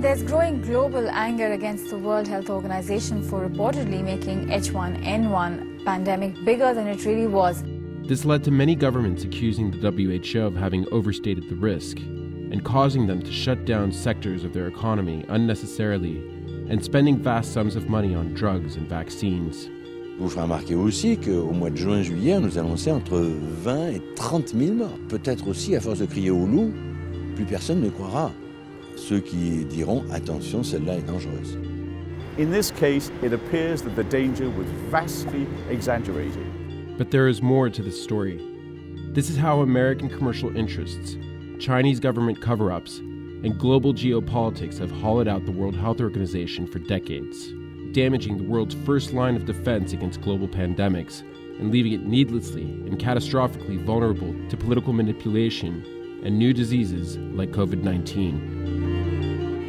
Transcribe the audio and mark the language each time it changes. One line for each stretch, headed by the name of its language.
English: There's growing global anger against the World Health Organization for reportedly making H1N1 pandemic bigger than it really was. This led to many governments accusing the WHO of having overstated the risk and causing them to shut down sectors of their economy unnecessarily and spending vast sums of money on drugs and vaccines.
French: Vous ferez remarquer aussi qu'au mois de juin-juillet, on nous annonçait entre 20 et 30 000 morts. Peut-être aussi, à force de crier au loup, plus personne ne croira. Ceux qui diront, attention, celle-là est dangereuse.
English: In this case, it appears that the danger was vastly exaggerated. But there is more to this story. This is how American commercial interests, Chinese government cover-ups, and global geopolitics have hollowed out the World Health Organization for decades, damaging the world's first line of defense against global pandemics and leaving it needlessly and catastrophically vulnerable to political manipulation and new diseases like COVID-19.